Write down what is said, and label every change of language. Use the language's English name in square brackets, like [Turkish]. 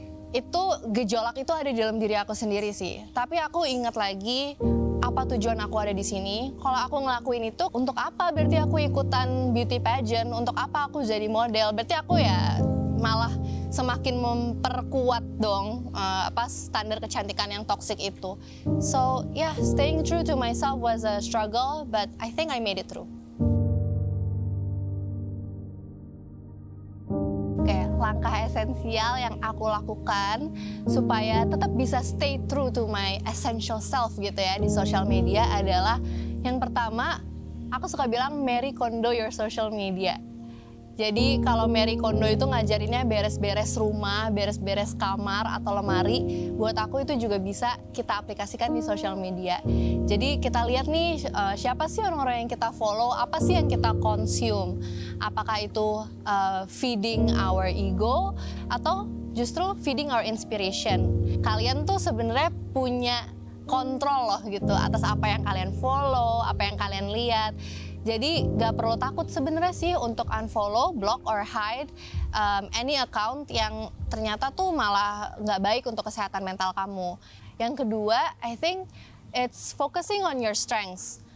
[Indonesian] Itu gejolak itu ada dalam diri aku sendiri sih. Tapi aku ingat lagi apa tujuan aku ada di sini. Kalau aku ngelakuin itu untuk apa? Berarti aku ikutan beauty pageant. Untuk apa aku jadi model? Berarti aku ya malah semakin memperkuat dong standar kecantikan yang toxic itu. [English] So yeah, staying true to myself was a struggle, but I think I made it through. [Indonesian] Langkah esensial yang aku lakukan supaya tetap bisa [English] stay true to my essential self [Indonesian] gitu ya di social media adalah, yang pertama, aku suka bilang [English] Marie Kondo your social media. [Indonesian] Jadi kalau Marie Kondo itu ngajarinnya beres-beres rumah, beres-beres kamar atau lemari, buat aku itu juga bisa kita aplikasikan di social media. Jadi kita lihat nih, siapa sih orang-orang yang kita follow, apa sih yang kita consume? Apakah itu [English] feeding our ego [Indonesian] atau justru [English] feeding our inspiration? [Indonesian] Kalian tuh sebenarnya punya kontrol loh gitu atas apa yang kalian follow, apa yang kalian lihat. Jadi gak perlu takut sebenarnya sih untuk unfollow, [English] block or hide any account [Indonesian] yang ternyata tuh malah gak baik untuk kesehatan mental kamu. Yang kedua, [English] I think it's focusing on your strengths.